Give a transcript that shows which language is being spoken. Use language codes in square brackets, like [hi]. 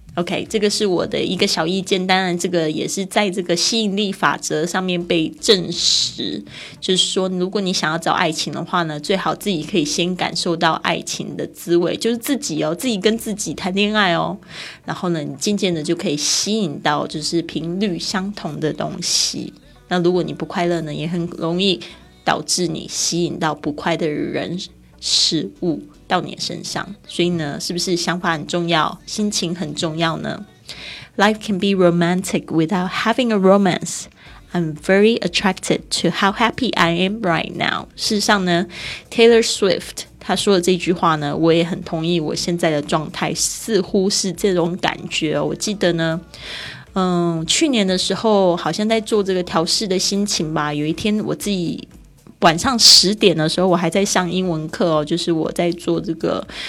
[zh] OK， 这个是我的一个小意见，当然这个也是在这个吸引力法则上面被证实，就是说如果你想要找爱情的话呢，最好自己可以先感受到爱情的滋味，就是自己哦，自己跟自己谈恋爱哦，然后呢你渐渐的就可以吸引到就是频率相同的东西。那如果你不快乐呢，也很容易导致你吸引到不快的人事物到你身上，所以呢是不是想法很重要，心情很重要呢？ [en] Life can be romantic without having a romance. I'm very attracted to how happy I am right now. [zh] 事实上呢 Taylor Swift 他说的这句话呢，我也很同意，我现在的状态似乎是这种感觉哦。我记得呢去年的时候好像在做这个调适的心情吧，有一天我自己晚上十点的时候我还在上英文课哦，就是我在做这个